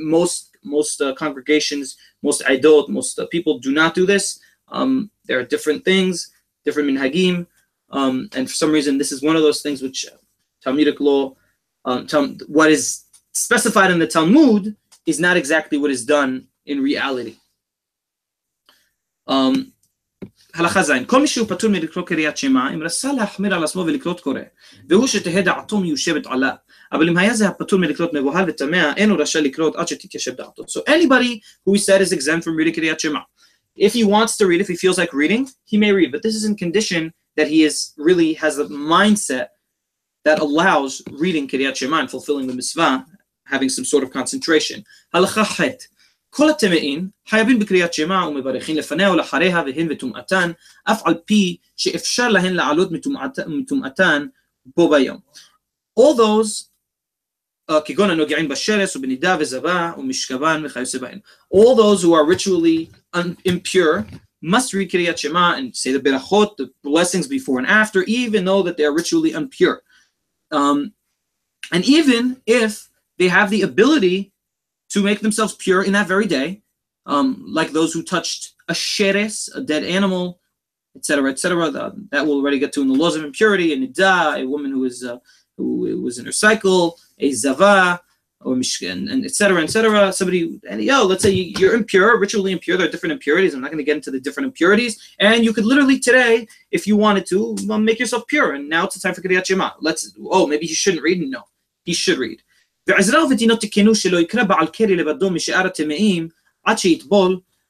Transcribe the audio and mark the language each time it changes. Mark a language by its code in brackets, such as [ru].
[en] Most congregations, most aidot, most people do not do this. There are different things, different minhagim, and for some reason, this is one of those things which Talmudic law, what is specified in the Talmud is not exactly what is done in reality. [he] הלכה זין, כל מי שהוא פטור מלקרוא קריאת שמע, אם רצה להחמיר על עצמו ולקרוא קורא, והוא שתהיה דעתו מיושבת עליו. אבל אם היה זה הפטור מלקרוא מבוהל וטמע, אין הוא רשאי לקרוא עד שתתיישב דעתו. [en] So anybody who he said is exempt from reading קריאת שמע. If he wants to read, if he feels like reading, he may read. But this is in condition that he is really has a mindset that allows reading קריאת שמע and fulfilling the mitzvah, having some sort of concentration. [he] הלכה חית. כל הטמאים חייבים בקריאת שמע ומברכים לפניה ולאחריה והן בטומאתן, אף על פי שאפשר להן לעלות מטומאתן בו ביום. [en] All those, [he] כגון הנוגעים בשרס ובנידה וזבה ומשכבן וכיוצא בהן. [en] All those who are ritually impure must read קריאת שמע and say the ברכות, the blessings before and after, even though that they are ritually impure. And even if they have the ability to make themselves pure in that very day, like those who touched a sheres, a dead animal, etc., etc. That we'll already get to in the laws of impurity, a nida, a woman who was in her cycle, a zava, or mishkan, and etc., etc. Somebody, let's say you're impure, ritually impure, there are different impurities, I'm not going to get into the different impurities, and you could literally today, if you wanted to, make yourself pure, and now it's the time for Kiryat Shema. Maybe he shouldn't read? No, he should read. [he] ועזרא ודינו תקנו שלא יקרא בעל קרי לבדו משאר הטמאים עד שיטבול.